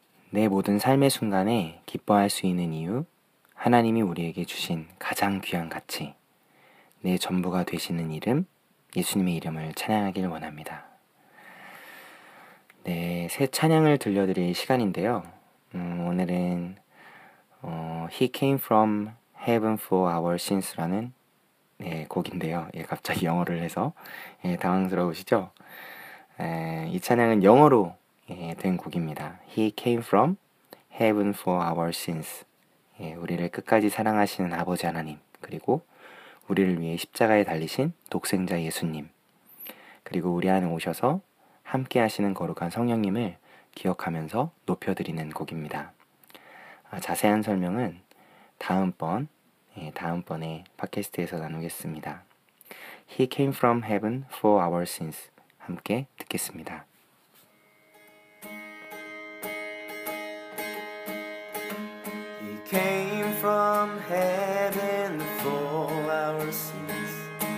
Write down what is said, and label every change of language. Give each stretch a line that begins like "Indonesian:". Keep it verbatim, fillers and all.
Korean: 내 모든 삶의 순간에 기뻐할 수 있는 이유, 하나님이 우리에게 주신 가장 귀한 가치, 내 전부가 되시는 이름, 예수님의 이름을 찬양하길 원합니다. 네, 새 찬양을 들려드릴 시간인데요. 음, 오늘은 어, He Came From Heaven For Our Sins라는 네, 곡인데요. 예, 갑자기 영어를 해서 예, 당황스러우시죠? 에, 이 찬양은 영어로 예, 된 곡입니다.
English: He came from heaven for our sins.
Korean: 예, 우리를 끝까지 사랑하시는 아버지 하나님, 그리고 우리를 위해 십자가에 달리신 독생자 예수님, 그리고 우리 안에 오셔서 함께 하시는 거룩한 성령님을 기억하면서 높여드리는 곡입니다. 아, 자세한 설명은 다음번, 예, 다음번에 팟캐스트에서 나누겠습니다.
English: He came from heaven for our sins.
Korean: 함께 듣겠습니다.
English: He came from heaven for our sins.